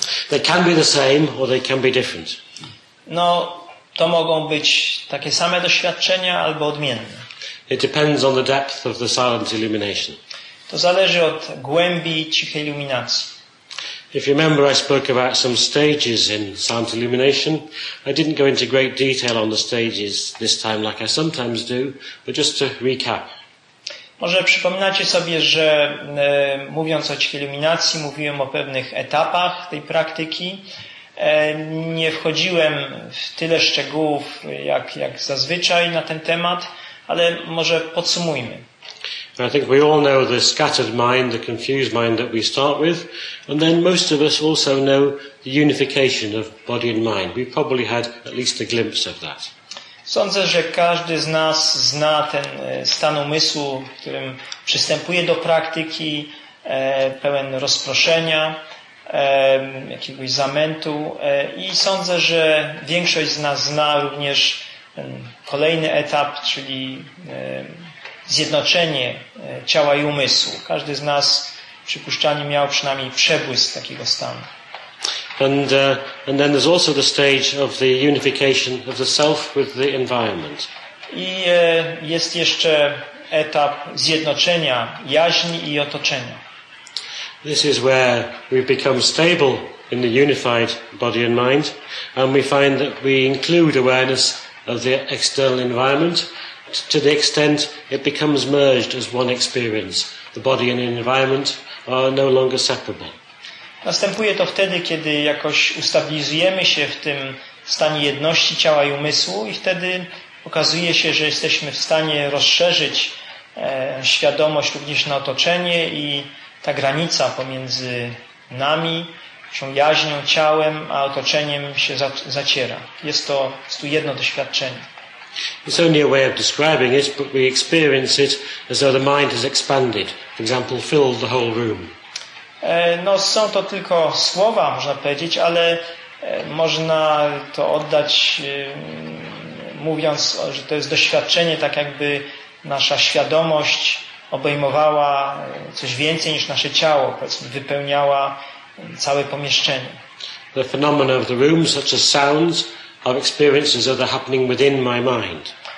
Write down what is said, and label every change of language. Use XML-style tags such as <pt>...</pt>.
<en>They can be the same or they can be different.</en> <pl>No, to mogą być takie same doświadczenia albo odmienne.</pl> <en>It depends on the depth of the silent illumination.</en> <pl>To zależy od głębi cichej iluminacji.</pl> <en>If you remember, I spoke about some stages in silent illumination. I didn't go into great detail on the stages this time, like I sometimes do, but just to recap.</en> <pl>Może przypominacie sobie, że mówiąc o cichej iluminacji, mówiłem o pewnych etapach tej praktyki. Nie wchodziłem w tyle szczegółów, jak zazwyczaj na ten temat, ale może podsumujmy.</pl> <en>I think we all know the scattered mind, the confused mind that we start with, and then most of us also know the unification of body and mind. We probably had at least a glimpse of that.</en> <pl>Sądzę, że każdy z nas zna ten stan umysłu, którym przystępuje do praktyki, pełen rozproszenia, jakiegoś zamętu, i sądzę, że większość z nas zna również ten kolejny etap, czyli zjednoczenie ciała i umysłu. Każdy z nas, przypuszczalnie, miał przynajmniej przebłysk takiego stanu.</pl> <en>And then there's also the stage of the unification of the self with the environment.</en> <pl>I jest jeszcze etap zjednoczenia jaźni i otoczenia.</pl> <en>This is where we become stable in the unified body and mind, and we find that we include awareness of the external environment to the extent it becomes merged as one experience. The body and the environment are no longer separable.</en> <pl>Następuje to wtedy, kiedy jakoś ustabilizujemy się w tym stanie jedności ciała i umysłu, i wtedy okazuje się, że jesteśmy w stanie rozszerzyć świadomość również na otoczenie, i ta granica pomiędzy nami, tą jaźnią, ciałem, a otoczeniem się zaciera. Jest to jedno doświadczenie.</pl> <en>It's only a way of describing it, but we experience it as though the mind has expanded, for example, filled the whole room.</en> <pl>No, są to tylko słowa, można powiedzieć, ale można to oddać, mówiąc, że to jest doświadczenie, tak jakby nasza świadomość obejmowała coś więcej niż nasze ciało, powiedzmy, wypełniała całe pomieszczenie.</pl> <en>The phenomena of the room, such as sounds, are experiences that are happening within my mind.</en>